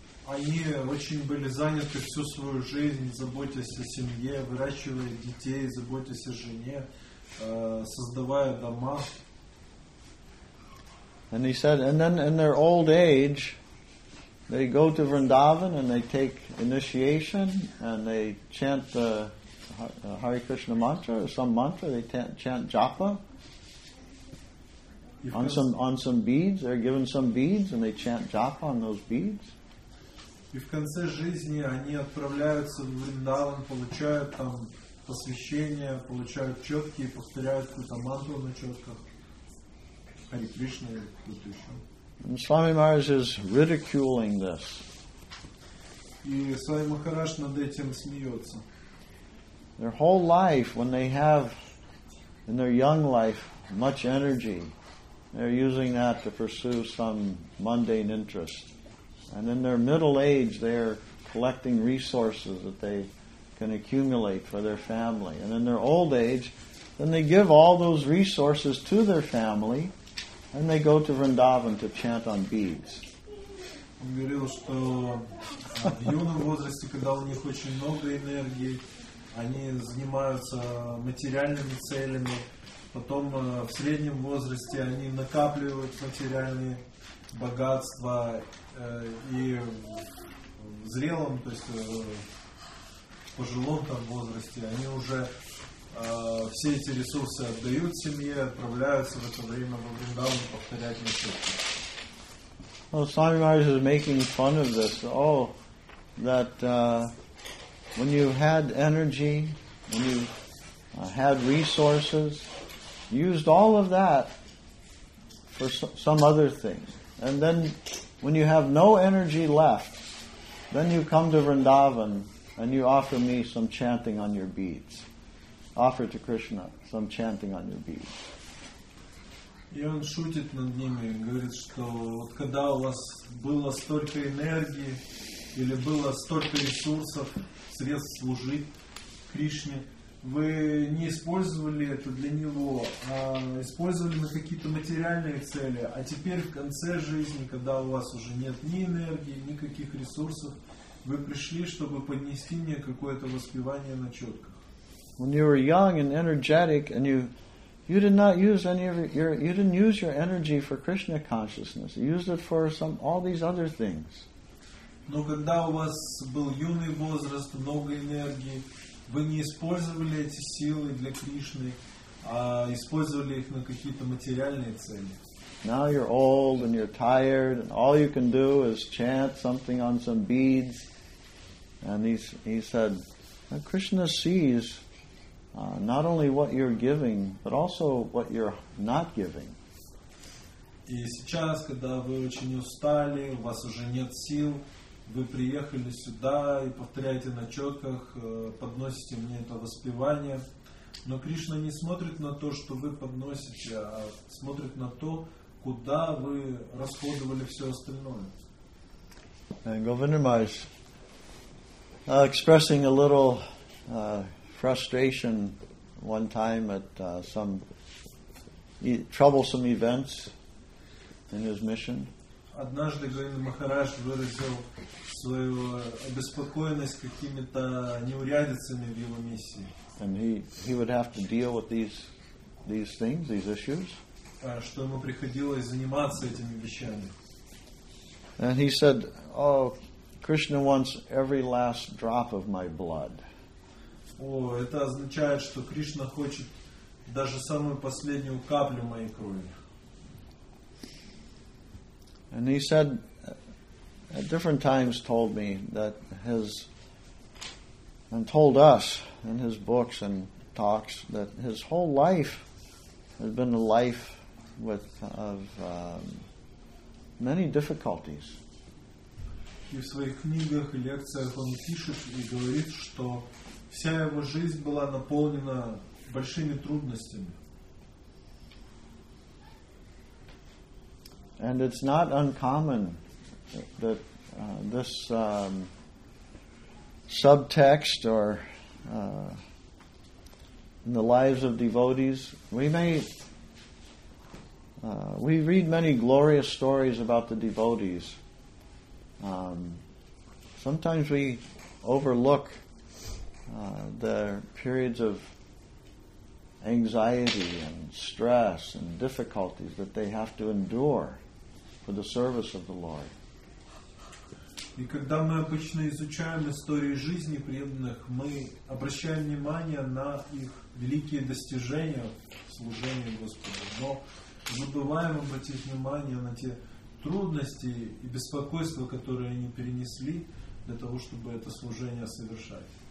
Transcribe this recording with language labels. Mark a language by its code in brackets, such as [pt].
[ru] Они очень были заняты всю свою жизнь, заботясь о семье, выращивая детей, заботясь о жене, создавая дома. [en] And he said, and then in their old age, they go to Vrindavan and they take initiation and they chant the Hare Krishna mantra or some mantra. They chant japa on some beads. They're given some beads and they chant japa on those beads. [ru] И в конце жизни они отправляются в Вриндаван, получают там посвящение, получают четки и повторяют какую-то мантру на четках. [en] And Swami Maharaj is ridiculing this. [ru] И Свами Махарадж над этим смеется. [en] Their whole life, when they have in their young life much energy, they're using that to pursue some mundane interest. And in their middle age, they're collecting resources that they can accumulate for their family. And in their old age, then they give all those resources to their family. And they go to Vrindavan to chant on beads. [ru] Он говорил, что в юном возрасте, когда у них очень много энергии, они занимаются материальными целями. Потом в среднем возрасте они накапливают материальные богатства. И в зрелом, то есть в пожилом там возрасте, они уже все эти ресурсы отдают семье, отправляются в это время во Вриндаван повторять на четки. [en] Well, Swami Maharaj is making fun of this. Oh, that when you had energy, when you had resources, you used all of that for some other thing. And then when you have no energy left, then you come to Vrindavan and you offer me some chanting on your beads. Offer to Krishna some chanting on your beads. [ru] И он шутит над ними, говорит, что вот когда у вас было столько энергии или было столько ресурсов, средств служить Кришне, вы не использовали это для него, а использовали на какие-то материальные цели. А теперь в конце жизни, когда у вас уже нет ни энергии, ни каких ресурсов, вы пришли, чтобы поднести мне какое-то воспевание на четках. [en] When you were young and energetic, and you did not use any of you didn't use your energy for Krishna consciousness. You used it for all these other things. [ru] Но когда у вас был юный возраст, много энергии, вы не использовали эти силы для Кришны, а использовали их на какие-то материальные цели. [en] Now you're old and you're tired, and all you can do is chant something on some beads. And he said, Krishna sees. Not only what you're giving, but also what you're not giving. [ru] И сейчас, когда вы очень устали, у вас уже нет сил, вы приехали сюда и повторяете на четках, подносите мне это воспевание. Но Кришна не смотрит на то, что вы подносите, а смотрит на то, куда вы расходовали все остальное. [en] And Govinda Maharaj expressing a little frustration one time at some troublesome events in his mission. [ru] Однажды Говинда Махарадж выразил свою обеспокоенность какими-то неурядицами в его миссии. [en] And he would have to deal with these things, these issues. [ru] Что ему приходилось заниматься этими вещами. [en] And he said, "Oh, Krishna wants every last drop of my blood." [ru] Это означает, что Кришна хочет даже самую последнюю каплю моей крови. [en] And he said, at different times, told me that his and told us in his books and talks that his whole life has been a life with of many difficulties. [ru] И в своих книгах и лекциях он пишет и говорит, что вся его жизнь была наполнена большими трудностями. [en] And it's not uncommon that this subtext or in the lives of devotees, we read many glorious stories about the devotees. Sometimes we overlook their periods of anxiety and stress and difficulties that they have to endure for the service of the Lord. [ru] И когда мы обычно изучаем истории жизни преданных, мы обращаем внимание на их великие достижения в служении Господу, но забываем обратить внимание на те трудности и беспокойства, которые они перенесли для того, чтобы это служение совершать.